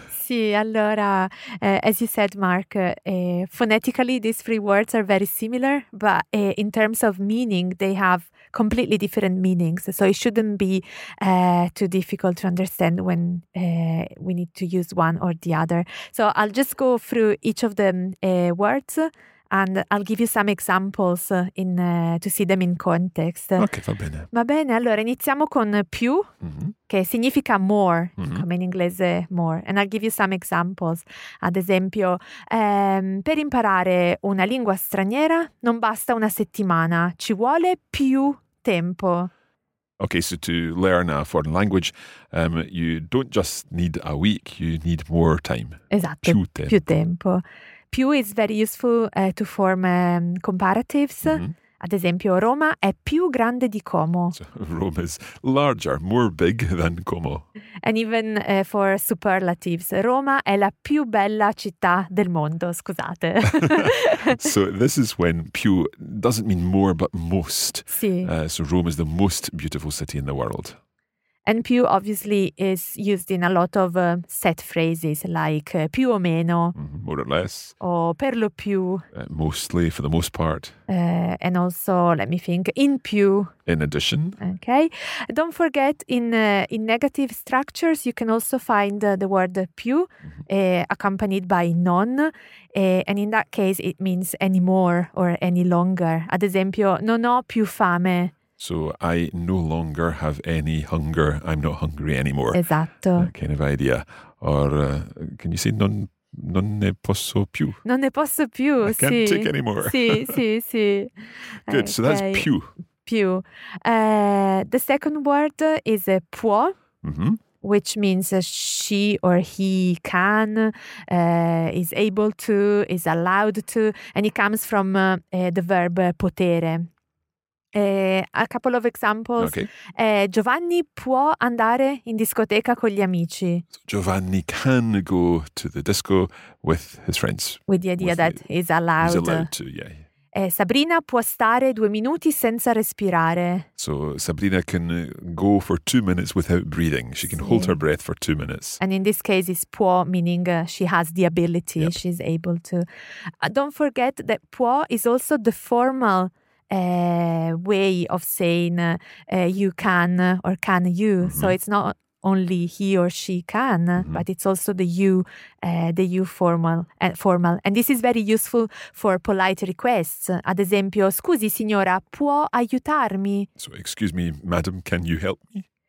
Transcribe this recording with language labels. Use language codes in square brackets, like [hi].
[it] Sì, allora, [en] as you said, Mark, phonetically these three words are very similar, but in terms of meaning, they have completely different meanings. So it shouldn't be too difficult to understand when we need to use one or the other. So I'll just go through each of the words and I'll give you some examples in to see them in context. [it] Ok, va bene. Va bene, allora iniziamo con più, che significa more, come in inglese more. [en] And I'll give you some examples. [it] Ad esempio, per imparare una lingua straniera non basta una settimana, ci vuole più tempo. [en] Ok, so to learn a foreign language, you don't just need a week, you need more time. [it] Esatto, più tempo. Più tempo. [en] Più is very useful to form comparatives. Mm-hmm. [it] Ad esempio, Roma è più grande di Como. [en] So, Rome is larger, more big than Como. And even for superlatives, [it] Roma è la più bella città del mondo, scusate. [en] So this is when più doesn't mean more, but most. [it] Sì. [en] So Rome is the most beautiful city in the world. And più obviously is used in a lot of set phrases like [it] più o meno. [en] More or less. [it] Or per lo più. [en] Mostly, for the most part. And also, let me think, [it] in più. [en] In addition. Okay. Don't forget, in negative structures, you can also find the word più accompanied by non. And in that case, it means any more or any longer. [it] Ad esempio, non ho più fame. [en] So I no longer have any hunger. I'm not hungry anymore. [it] Esatto. [en] That kind of idea. Or can you say [it] non ne posso più? Non ne posso più, [en] I can't [it] sì. [en] Can't take anymore. [it] Sì, sì, sì. [en] Good, okay. So that's più. [it] Più. [en] The second word is può, which means she or he can, is able to, is allowed to, and it comes from the verb potere. A couple of examples. Okay. [it] Giovanni può andare in discoteca con gli amici. [en] So Giovanni can go to the disco with his friends. With the idea that he's allowed. He's allowed to, yeah. Sabrina può stare 2 minuti senza respirare. So Sabrina can go for 2 minutes without breathing. She can hold her breath for 2 minutes. And in this case it's può, meaning she has the ability, she's able to. Don't forget that può is also the formal way of saying you can or can you. Mm-hmm. So it's not only he or she can, but it's also the you formal. And this is very useful for polite requests. [it] Ad esempio, scusi signora, può aiutarmi? [en] So excuse me, madam, can you help me?